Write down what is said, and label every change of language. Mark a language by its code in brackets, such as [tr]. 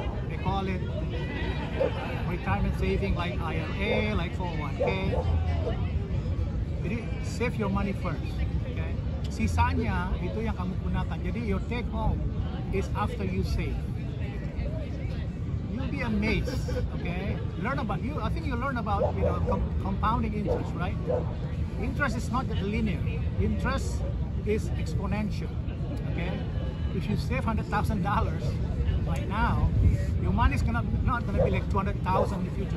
[en] They call it retirement saving, like IRA, like 401k. Jadi save your money first, okay? [id] Sisanya itu yang kamu gunakan. [en] Jadi your take home is after you save. You'll be amazed, okay? Learn about you. I think you learn about, you know, compounding interest, right? Interest is not linear. Interest is exponential, okay? If you save $100,000 right now, your money is not gonna be like $200,000 in the future.